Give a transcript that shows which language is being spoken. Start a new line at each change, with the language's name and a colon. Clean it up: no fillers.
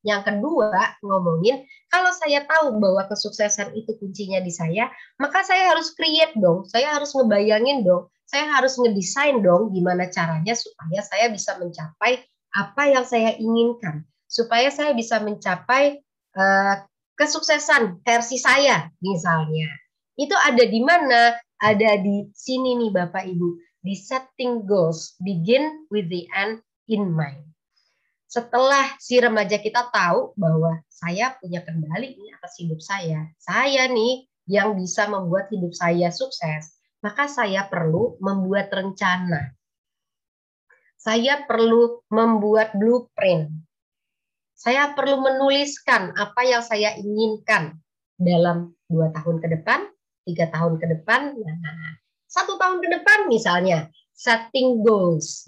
Indonesian: Yang kedua, ngomongin, kalau saya tahu bahwa kesuksesan itu kuncinya di saya, maka saya harus create dong, saya harus ngebayangin dong, saya harus ngedesain dong gimana caranya supaya saya bisa mencapai apa yang saya inginkan. Supaya saya bisa mencapai kesuksesan versi saya, misalnya. Itu ada di mana? Ada di sini nih, Bapak Ibu.
English: Di setting goals, begin with the end in mind.
Indonesian: Setelah si remaja kita tahu bahwa saya punya kendali ini atas hidup saya nih yang bisa membuat hidup saya sukses, maka saya perlu membuat rencana. Saya perlu membuat blueprint. Saya perlu menuliskan apa yang saya inginkan dalam 2 tahun ke depan, 3 tahun ke depan, 1 tahun ke depan misalnya, setting goals.